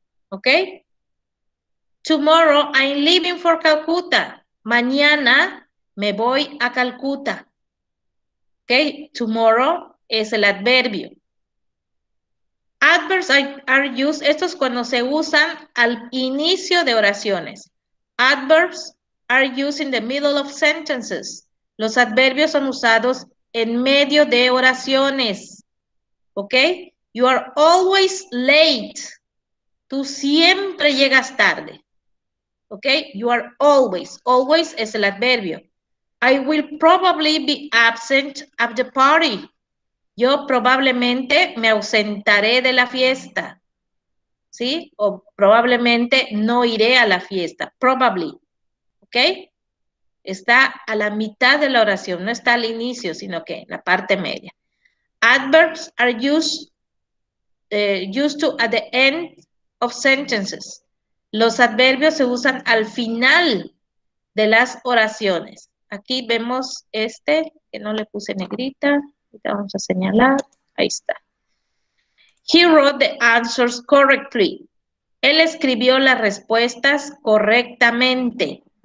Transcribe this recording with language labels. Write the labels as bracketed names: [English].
[English] ¿Ok? Tomorrow, I'm leaving for Calcutta. [Spanish] Mañana, me voy a Calcuta. ¿Ok? Tomorrow es el adverbio. [English] Adverbs are used, [Spanish] esto es cuando se usan al inicio de oraciones. [English] Adverbs are used in the middle of sentences. [Spanish] Los adverbios son usados en medio de oraciones. [English] ¿Ok? You are always late. [Spanish] Tú siempre llegas tarde. [English] ¿Ok? You are always. Always [Spanish] es el adverbio. [English] I will probably be absent at the party. [Spanish] Yo probablemente me ausentaré de la fiesta. ¿Sí? O probablemente no iré a la fiesta. Probably. ¿Ok? Está a la mitad de la oración. No está al inicio, sino que en la parte media. [English] Adverbs are used to at the end of sentences. [Spanish] Los adverbios se usan al final de las oraciones. Aquí vemos este, que no le puse negrita. Ahorita vamos a señalar. Ahí está. [English] He wrote the answers correctly. [Spanish] Él escribió las respuestas correctamente.